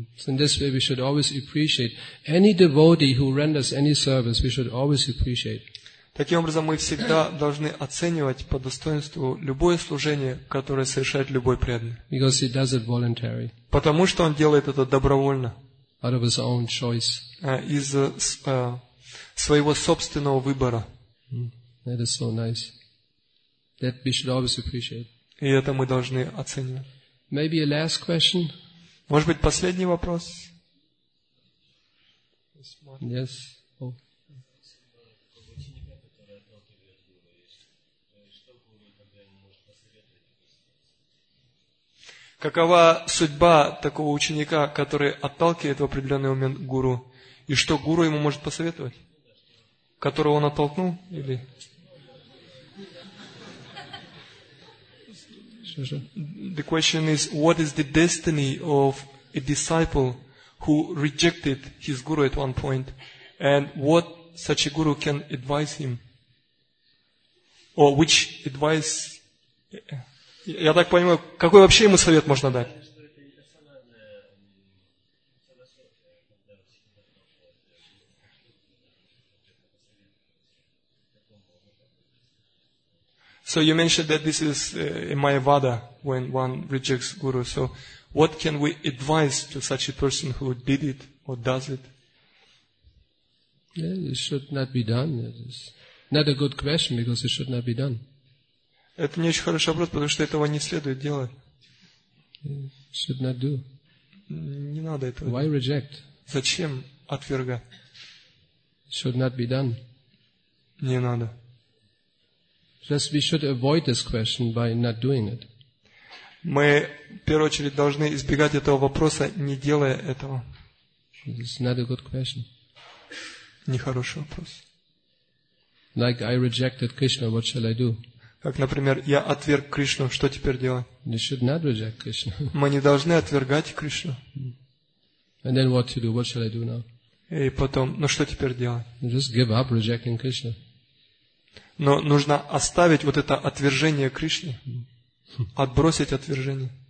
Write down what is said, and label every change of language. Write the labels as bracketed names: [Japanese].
[English] In this way we should always appreciate any devotee who renders any service, we should always appreciate. [Russian] Таким образом, мы всегда должны оценивать по достоинству любое служение, которое совершает любой преданный. [English] Because he does it voluntarily. [Russian] Потому что он делает это добровольно. [English] Out of his own choice. [Russian] Из своего собственного выбора. [English] That is so nice. That we should always appreciate. [Russian] И это мы должны оценивать. [English] Maybe a last question. [Russian] Может быть, последний вопрос? [English] Yes. [Russian] Какова судьба такого ученика, который отталкивает в определенный момент гуру? И что гуру ему может посоветовать? Которого он оттолкнул, или? [English] The question is, what is the destiny of a disciple who rejected his guru at one point? And what such a guru can advise him? Or which advice... [Russian] Я так понимаю, какой вообще ему совет можно дать? [English] So you mentioned that this is a Mayavada when one rejects Guru. So what can we advise to such a person who did it or does it? Yeah, it should not be done. It's not a good question because it should not be done. [Russian] Это не очень хороший вопрос, потому что этого не следует делать. [English] Should not do. [Russian] Не надо этого. [English] Why reject? [Russian] Зачем отвергать? [English] Should not be done. [Russian] Не надо. [English] Just we should avoid this question by not doing it. [Russian] Мы в первую очередь должны избегать этого вопроса, не делая этого. [English] It's not a good question. [Russian] Нехороший вопрос. [English] Like I rejected Krishna, what shall I do? [Russian] Как, например, я отверг Кришну, что теперь делать? [English] You should not reject Krishna. [Russian] Мы не должны отвергать Кришну. [English] And then what to do? What shall I do now? [Russian] И потом, ну что теперь делать? [English] Just give up rejecting Krishna. [Russian] Но нужно оставить вот это отвержение Кришне, отбросить отвержение.